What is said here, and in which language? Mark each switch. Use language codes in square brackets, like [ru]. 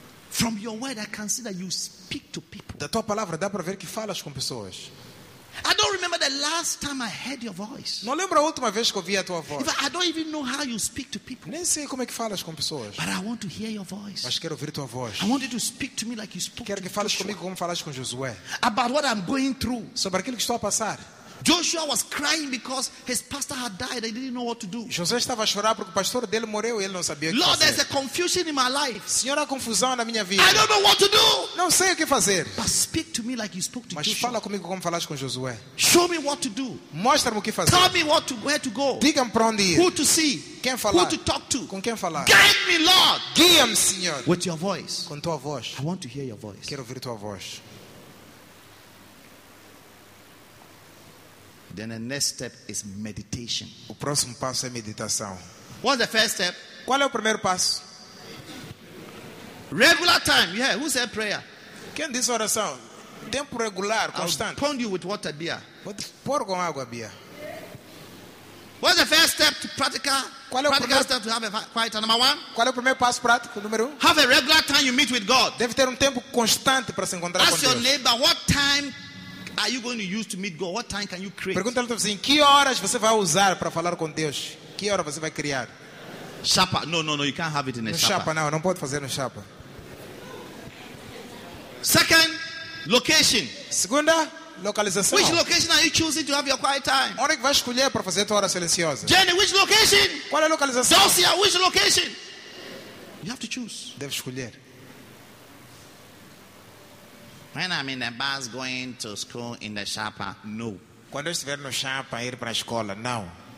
[en] From your word I can see that you speak to people. [pt] Da tua palavra dá para ver que falas com pessoas. [en] I don't remember the last time I heard your voice. [pt] Não lembro a última vez que ouvi a tua voz. [en] I don't even know how you speak to people. [pt] Nem sei como é que falas com pessoas. [en] But I want to hear your voice. [pt] Mas quero ouvir tua voz. [en] I want you to speak to me like you spoke [pt] quero que falas comigo como falaste com Josué. [en] About what I'm going through. [pt] Sobre aquilo que estou a passar. [en] Joshua was crying because his pastor had died. He didn't know what to do. [pt] José estava a chorar porque o pastor dele morreu e ele não sabia o que [en] Lord, [pt] fazer. [en] Lord, there's a confusion in my life. [pt] Senhor, há confusão na minha vida. [en] I don't know what to do. [pt] Não sei o que fazer. [en] But speak to me like you spoke to [pt] Mas [en] Joshua. [pt] Mas fala comigo como falaste com Josué. [en] Show me what to do. [pt] Mostra-me o que fazer. [en] Tell me what to, where to go. [pt] Diga-me para onde ir. [en] Who to see. [pt] Quem falar. [en] Who to talk to. [pt] Com quem falar. [en] Guide me, Lord. [pt] Guia-me, Senhor. [en] With your voice. [pt] Com tua voz. [en] I want to hear your voice. [pt] Quero ouvir tua voz. [en] Then the next step is meditation. [pt] O próximo passo é meditação. [en] What's the first step? [pt] Qual é o primeiro passo? [en] Regular time. Yeah, who said prayer? [pt] Quem disse oração? Tempo regular, constante. [en] I'll pound you with water, beer. [pt] Pôr com água, beer. [en] What's the first step to practical [pt] Qual é o practical primeiro... [en] step to have a quiet time? Number one. [pt] Qual é o primeiro passo prático? Número um. [en] Have a regular time you meet with God. [pt] Deve ter tempo constante para se encontrar [en] Ask [pt] com [en] your [pt] Deus. [en] Neighbor, what time are you going to use to meet God? What time can you create? [pt] Pergunta ao teu vizinho, que horas você vai usar para falar com Deus? Que hora você vai criar? Chapa. [en] No, you can't have it in a chapa. [pt] No chapa, não. Não pode fazer no chapa. [en] Second, location. [pt] Segunda, localização. [en] Which location are you choosing to have your quiet time? [pt] Onde vai escolher para fazer a tua hora silenciosa? [en] Jenny, which location? [pt] Qual é a localização? [en] Josia, which location? You have to choose. [pt] Deve escolher. [en] When I'm in the bus going to school in the chapa, no. [pt] Quando eu estiver no chapa, ir para a escola, não.